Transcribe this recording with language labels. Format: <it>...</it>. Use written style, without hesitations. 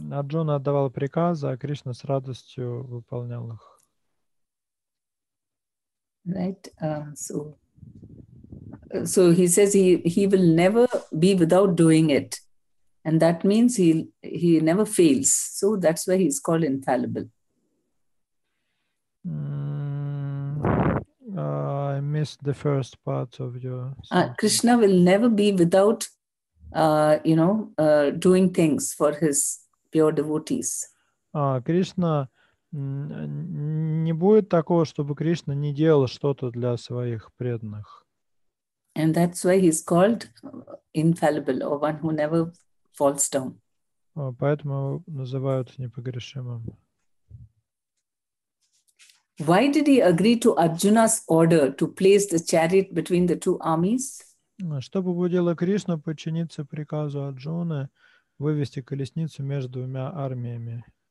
<ru>Arjuna отдавал приказы, а Кришна с радостью выполнял их.</ru> <en>Right, so he says he will never be without doing it, and that means he never fails. So that's why he's called infallible. I missed the first part of your. Krishna will never be without, doing things for his pure devotees.</en> <ru>Krishna не будет такого, чтобы Кришна не делал что-то для своих преданных.</ru> <en>And that's why he's called infallible, or one who never falls down.</en> <ru>Поэтому называют непогрешимым.</ru> <en>Why did he agree to Arjuna's order to place the chariot between the two armies?</en> <ru>Что побудило Кришну подчиниться приказу Арджуны вывести колесницу между двумя армиями?</ru>